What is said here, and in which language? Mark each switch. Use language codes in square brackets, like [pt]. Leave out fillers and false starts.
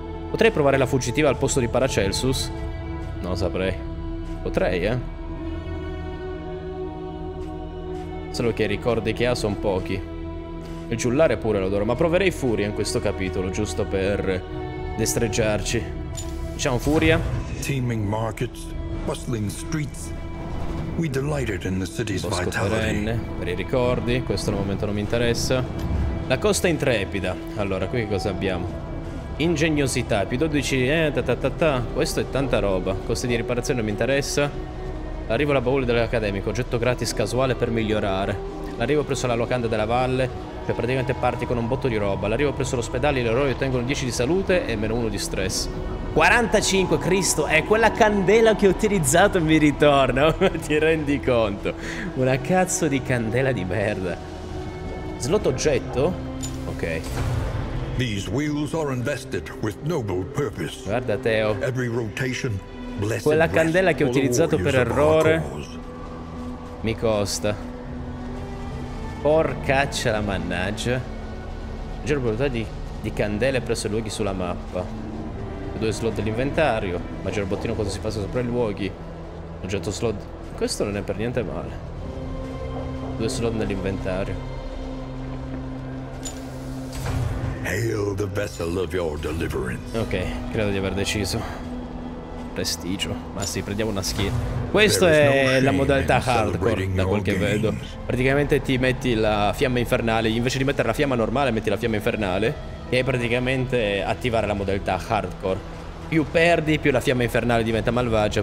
[it] Potrei provare la fuggitiva al posto di Paracelsus. Non saprei. Potrei, eh. Solo che i ricordi che ha sono pochi. Il giullare pure lo adoro. Ma proverei Furia in questo capitolo, giusto per destreggiarci. Diciamo Furia. [en] Teeming markets, bustling streets. We delighted in the city's vitality. [it] Perenne, per i ricordi, questo al momento non mi interessa. La costa intrepida. Allora, qui cosa abbiamo? Ingegnosità, più 12, questo è tanta roba. Costi di riparazione non mi interessa. L'arrivo alla baule dell'accademico, oggetto gratis casuale per migliorare. L'arrivo presso la locanda della valle, cioè praticamente parti con un botto di roba. L'arrivo presso l'ospedale, gli eroi ottengono 10 di salute e meno 1 di stress. 45, Cristo, è quella candela che ho utilizzato mi ritorna, ti rendi conto? Una cazzo di candela di merda. Slot oggetto? Ok. [en] These wheels are invested with noble purpose. [it] Guarda Teo. [en] Every rotation, [it] quella candela che ho utilizzato per errore mi costa. Porcaccia la mannaggia. Giro probabilità di candele presso i luoghi sulla mappa. Due slot dell'inventario. Maggior bottino quando si passa sopra i luoghi. Oggetto slot. Questo non è per niente male. Due slot nell'inventario. [en] Hail the vessel of your deliverance. [it] Ok, credo di aver deciso. Prestigio. Ma sì, prendiamo una skin. Questa è la modalità hardcore, da quel che vedo. Praticamente ti metti la fiamma infernale. Invece di mettere la fiamma normale, metti la fiamma infernale. E praticamente attivare la modalità hardcore. Più perdi, più la fiamma infernale diventa malvagia.